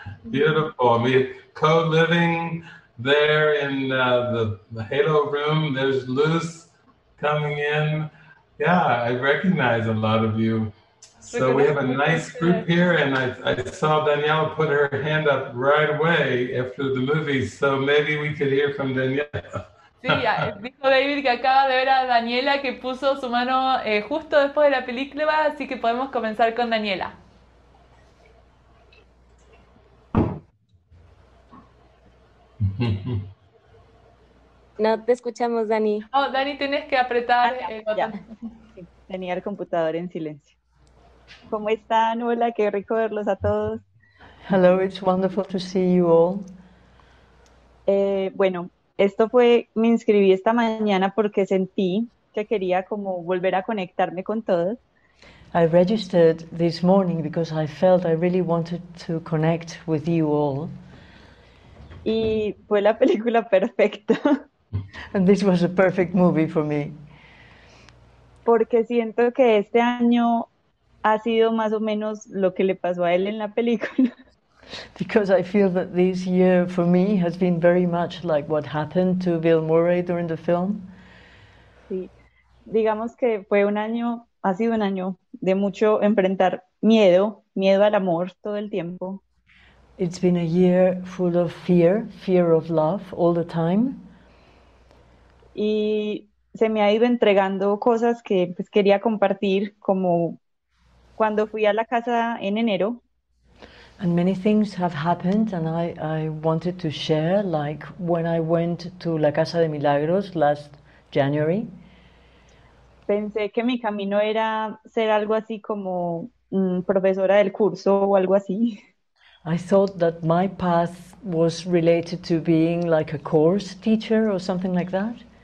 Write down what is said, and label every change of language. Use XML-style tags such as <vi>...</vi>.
<en>Beautiful. I mean, co-living there in the Halo room. There's Luz coming in. Yeah, I recognize a lot of you. So we have a nice group here, and I saw Daniela put her hand up right away after the movie. So maybe we could hear from Daniela.</en> <es>Sí, dijo David que acaba de ver a Daniela que puso su mano justo después de la película, así que podemos comenzar con Daniela. No te escuchamos, Dani. Oh, Dani, tienes que Ah, apretar el botón. ya. Sí, tenía el computador en silencio. ¿Cómo están? Hola, qué rico verlos a todos.</es> <en>Hello, it's wonderful to see you all.</en> <es>Bueno, esto fue, me inscribí esta mañana porque sentí que quería como volver a conectarme con todos.</es> <en>I registered this morning because I felt I really wanted to connect with you all.</en> <es>Y fue la película perfecta.</es> <en>And this was a perfect movie for me.</en> <es>Porque siento que este año ha sido más o menos lo que le pasó a él en la película.</es> <en>Because I feel that this year for me has been very much like what happened to Bill Murray during the film.</en> <es>Sí, digamos que fue un año, ha sido un año de mucho enfrentar miedo, miedo al amor todo el tiempo.</es> <en>It's been a year full of fear, fear of love all the time.</en> <es>Y se me ha ido entregando cosas que pues, quería compartir, como cuando fui a la casa en enero.</es> <en>And many things have happened, and I wanted to share, like when I went to La Casa de Milagros last January.</en> <es>Pensé que mi camino era ser algo así como profesora del curso o algo así.</es> <en>I thought that my path was related to being like a course teacher or something like that.</en>